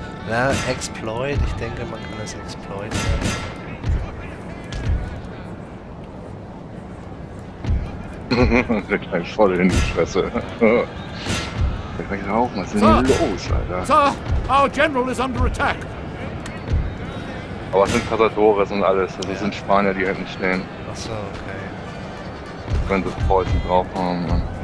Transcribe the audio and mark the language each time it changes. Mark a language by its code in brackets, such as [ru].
[de] Na, Exploit, ich denke, man kann das exploiten. Der kleine voll in die Fresse. Der kann ich rauchen, was ist denn hier los, Alter? [en] Sir, our general is under attack. [de] Aber es sind Cazadores und alles, das sind Spanier, die hinten stehen. Achso, okay. Können sie Preußen drauf haben, Mann.